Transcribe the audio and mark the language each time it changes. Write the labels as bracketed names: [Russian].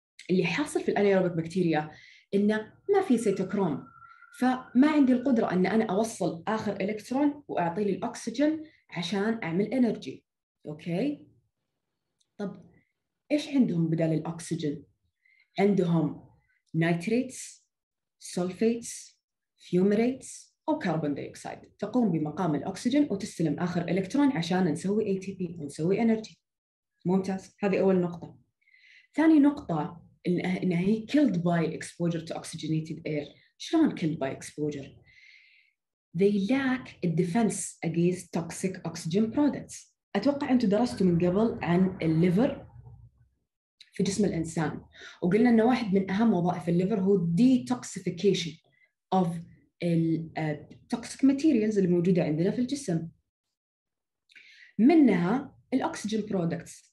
[Arabic] اللي حاصل في الأنيروبيك بكتيريا إن ما في سيتوكروم، فما عندي القدرة أن أنا أوصل آخر إلكترون وأعطيه للأكسجين عشان أعمل إنرجي، أوكي؟ طب إيش عندهم بدل الأكسجين؟ عندهم نيتريتس، سولفيتس، فيوميريتس أو كربون ديوكسيد، تقوم بمقام الأكسجين وتستلم آخر إلكترون عشان نسوي ATP ونسوي إنرجي. ممتاز، هذه أول نقطة. ثاني نقطة، إنها هي [English] killed by exposure to oxygenated air. [Arabic] شلون [English] killed by exposure؟ They lack a defense against toxic oxygen products. [Arabic] أتوقع أنتم درستوا من قبل عن الليفر في جسم الإنسان، وقلنا إن واحد من أهم وظائف الليفر هو [English] detoxification of the toxic materials [Arabic] اللي موجودة عندنا في الجسم، منها الأكسجين products.